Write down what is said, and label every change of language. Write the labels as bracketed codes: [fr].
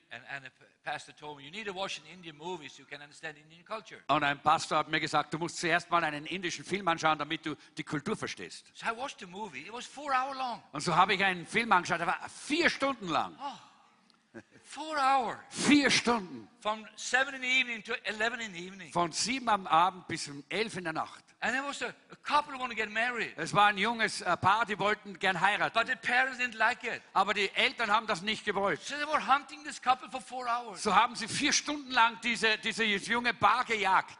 [en] And a pastor told me, you need to watch an Indian movie so you can understand Indian culture. [de] Und ein Pastor hat mir gesagt, du musst zuerst mal einen indischen Film anschauen, damit du die Kultur verstehst. [en] So I watched a movie. It was 4 hours long. [de] Und so habe ich einen Film angeschaut. Der war 4 Stunden lang. [en] Oh, 4 hours. [de] 4 Stunden. [en] From 7 in the evening to 11 in the evening. [de] Von 7 am Abend bis um 11 in der Nacht. [en] And there was a couple who wanted to get married. [de] Es war ein junges Paar, die wollten gern heiraten. [en] But the parents didn't like it. [de] Aber die Eltern haben das nicht gewollt. [en] So they were hunting this couple for 4 hours. [de] So haben sie 4 Stunden lang diese junge Paar gejagt.